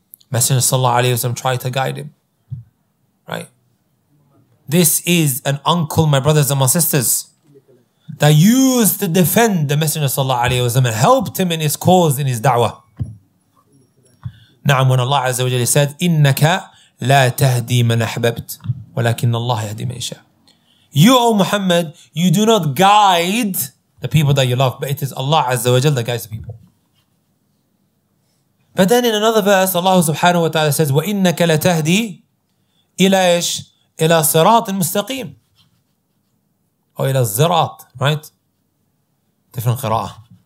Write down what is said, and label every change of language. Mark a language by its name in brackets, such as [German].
[English] Messenger sallallahu alayhi wa sallam tried to guide him, right? This is an uncle, my brothers and my sisters, that used to defend the Messenger sallallahu alayhi wa sallam and helped him in his cause, in his da'wah. [Arabic] Na'am, [English] when Allah azza wa jalla said, [Arabic] إِنَّكَ لَا تَهْدِي مَنْ أَحْبَبْتِ وَلَكِنَّ اللَّهَ يَهْدِي مَنْ يَشَاءُ. [English] You, O Muhammad, you do not guide the people that you love, but it is Allah Azza wa Jal that guides the people. But then in another verse, Allah subhanahu wa ta'ala says, [Arabic] وَإِنَّكَ لَتَهْدِي إِلَىٰ إِشْ إِلَىٰ صِرَاطٍ مُسْتَقِيمٍ [English] or [Arabic] إِلَىٰ الزِّرَاط, [English] right? Different qira'ah.